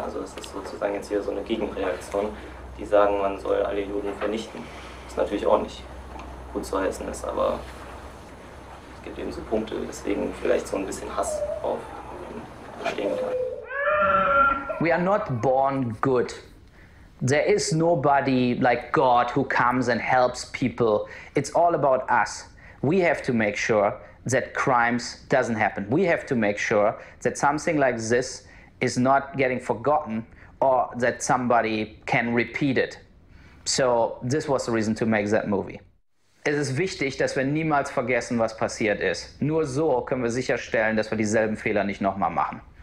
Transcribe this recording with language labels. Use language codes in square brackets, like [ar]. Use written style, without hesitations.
[de] Also es ist sozusagen jetzt hier so eine Gegenreaktion. Die sagen, man soll alle Juden vernichten. Was natürlich auch nicht gut zu heißen ist, aber es gibt eben so Punkte, deswegen vielleicht so ein bisschen Hass auf den bestehenden. [en] We are not born good. There is nobody like God who comes and helps people. It's all about us. We have to make sure that crimes doesn't happen. We have to make sure that something like this is not getting forgotten or that somebody can repeat it. So this was the reason to make that movie. [de] Es ist wichtig, dass wir niemals vergessen, was passiert ist. Nur so können wir sicherstellen, dass wir dieselben Fehler nicht nochmal machen.